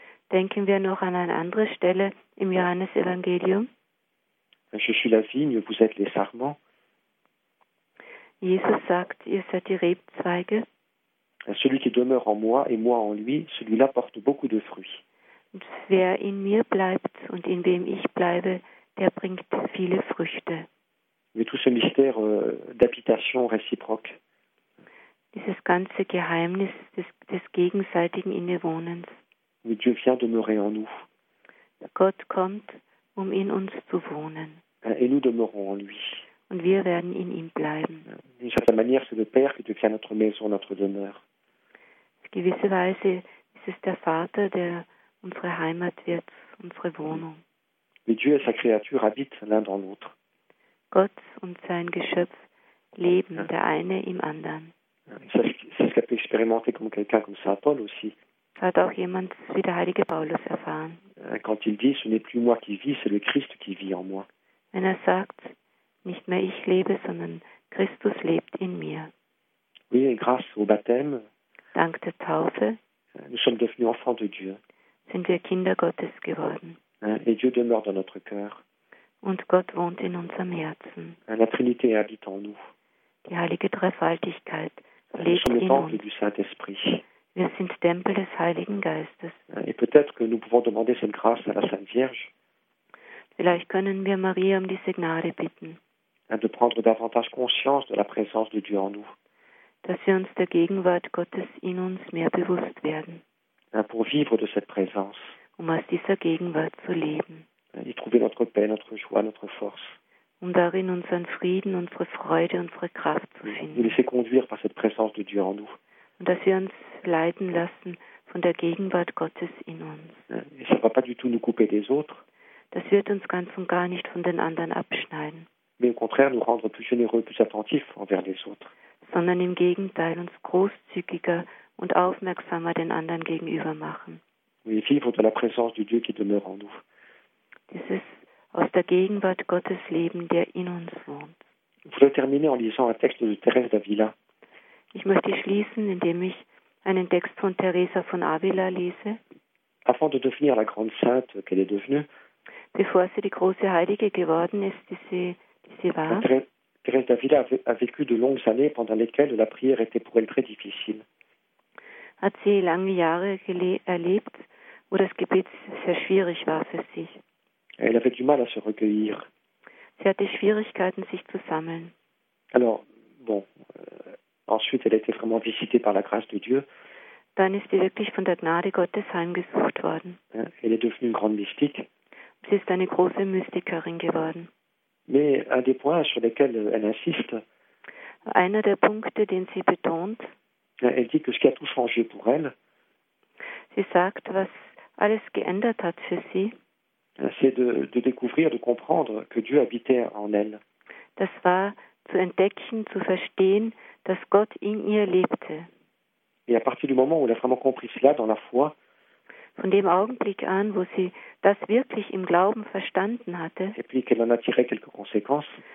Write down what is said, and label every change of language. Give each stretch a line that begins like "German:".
German: Denken wir noch an eine andere Stelle im Johannesevangelium.
French: Je suis la vigne, vous êtes les sarments.
German: Jesus sagt, ihr seid die Rebzweige.
French: Celui qui demeure en moi et moi en lui, celui-là porte beaucoup de fruits.
German: Wer in mir bleibt und in wem ich bleibe, der bringt viele Früchte.
French: Mais tout ce mystère d'habitation réciproque.
German: Dieses ganze Geheimnis des gegenseitigen Innewohnens.
French: Mais Dieu vient demeurer en nous.
German: Gott kommt, um in uns zu wohnen.
French: Et nous demeurons en lui.
German: Und wir werden in ihm bleiben.
French: D'une certaine manière, c'est le Père qui devient notre maison, notre demeure.
German: gewisse Weise ist es der Vater, der unsere Heimat wird, unsere Wohnung.
French: Mais Dieu et sa créature habitent l'un dans l'autre.
German: Gott und sein Geschöpf leben, der eine im anderen.
French: C'est ce qu'a pu expérimenter comme quelqu'un comme Saint Paul aussi.
German: Hat auch jemand wie der heilige Paulus erfahren.
French: Quand il dit, ce n'est plus moi qui vis, c'est le Christ qui vit en moi.
German: Wenn er sagt, nicht mehr ich lebe, sondern Christus lebt in mir.
French: Oui, et grâce au baptême,
German: dank der Taufe,
French: nous sommes devenus enfants de Dieu.
German: Sind wir Kinder Gottes geworden.
French: Et Dieu demeure dans notre cœur.
German: Und Gott wohnt in unserem Herzen.
French: La Trinité habite en nous.
German: Die heilige Dreifaltigkeit lebt in uns.
French: Nous sommes du Saint-Esprit.
German: Wir sind Tempel des Heiligen Geistes.
French: Et peut-être que nous pouvons demander cette grâce à la Sainte Vierge.
German: Vielleicht können wir Maria um diese Gnade bitten.
French: De prendre davantage conscience de la présence de Dieu en nous.
German: Dass wir uns der Gegenwart Gottes in uns mehr bewusst werden.
French: Pour vivre de cette présence.
German: Um aus dieser Gegenwart zu leben.
French: Y trouver notre paix, notre joie, notre force.
German: Um darin unseren Frieden, unsere Freude, unsere Kraft zu finden.
French: Nous laisser conduire par cette présence de Dieu en nous.
German: Und dass wir uns leiten lassen von der Gegenwart Gottes in uns.
French: Et ça va pas du tout nous couper des autres.
German: Das wird uns ganz und gar nicht von den anderen abschneiden.
French: Mais au contraire, nous rendre plus généreux, plus attentifs envers les autres.
German: Sondern im Gegenteil, uns großzügiger und aufmerksamer den anderen gegenüber machen.
French: Oui, vivre de la présence du Dieu qui demeure en nous.
German: Dieses aus der Gegenwart Gottes leben, der in uns wohnt.
French: Je voudrais terminer en lisant un texte de Thérèse d'Avila.
German: Ich möchte schließen, indem ich einen Text von Teresa von Avila lese.
French: Avant de devenir la grande sainte qu'elle est devenue,
German: bevor sie die große Heilige geworden ist, die sie war.
French: Thérèse d'Avila a vécu de longues années pendant lesquelles la prière était pour elle très difficile.
German: Hat sie lange Jahre erlebt, wo das Gebet sehr schwierig war für sie.
French: Elle avait du mal à se recueillir.
German: Sie hatte Schwierigkeiten, sich zu sammeln.
French: Alors, bon, ensuite elle a été vraiment visitée par la grâce de Dieu.
German: Dann ist sie wirklich von der Gnade Gottes heimgesucht worden.
French: Elle est devenue une grande mystique.
German: Sie ist eine große Mystikerin geworden.
French: Mais un des points sur lesquels elle insiste,
German: einer der Punkte, den sie betont,
French: elle dit que ce qui a tout changé pour elle,
German: sie sagt, was alles geändert hat für sie,
French: c'est de découvrir, de comprendre que Dieu habitait en elle.
German: Das war zu entdecken, zu verstehen, dass Gott in ihr lebte.
French: Et à partir du moment où elle a vraiment compris cela dans la foi,
German: von dem Augenblick an, wo sie das wirklich im Glauben verstanden hatte,
French: et puis qu'elle en a tiré quelques conséquences,